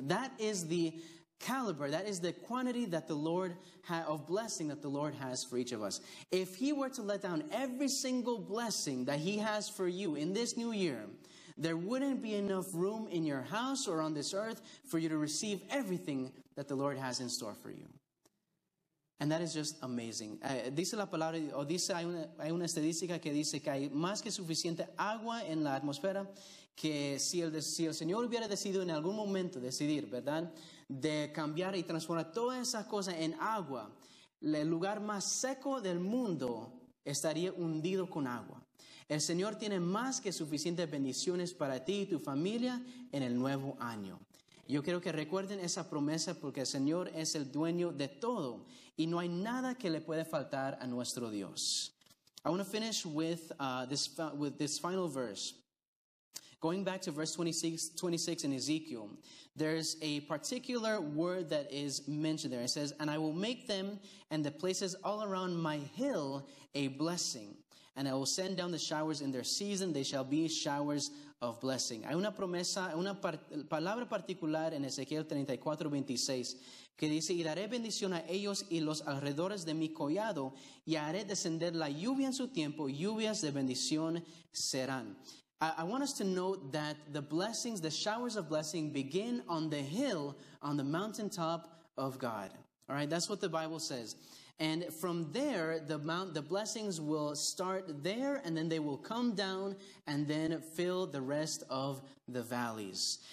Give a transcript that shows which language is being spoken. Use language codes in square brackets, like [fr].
[en] That is the caliber, that is the quantity that the Lord of blessing that the Lord has for each of us. If He were to let down every single blessing that He has for you in this new year, there wouldn't be enough room in your house or on this earth for you to receive everything that the Lord has in store for you. And that is just amazing. [es] Dice la palabra, o dice, hay una estadística que dice que hay más que suficiente agua en la atmósfera que si el Señor hubiera decidido en algún momento decidir, ¿verdad? De cambiar y transformar todas esas cosas en agua, el lugar más seco del mundo estaría hundido con agua. El Señor tiene más que suficientes bendiciones para ti y tu familia en el nuevo año. Yo quiero que recuerden esa promesa porque el Señor es el dueño de todo y no hay nada que le puede faltar a nuestro Dios. [en] I want to finish with this final verse. Going back to verse 26 in Ezekiel, there's a particular word that is mentioned there. It says, "And I will make them and the places all around my hill a blessing. And I will send down the showers in their season. They shall be showers of blessing." [es] Hay una promesa, una palabra particular en Ezequiel 34:26 que dice, "Y daré bendición a ellos y los alrededores de mi collado, y haré descender la lluvia en su tiempo, lluvias de bendición serán." [en] I want us to note that the blessings, the showers of blessing begin on the hill, on the mountaintop of God. All right, that's what the Bible says. And from there, the blessings will start there and then they will come down and then fill the rest of the valleys.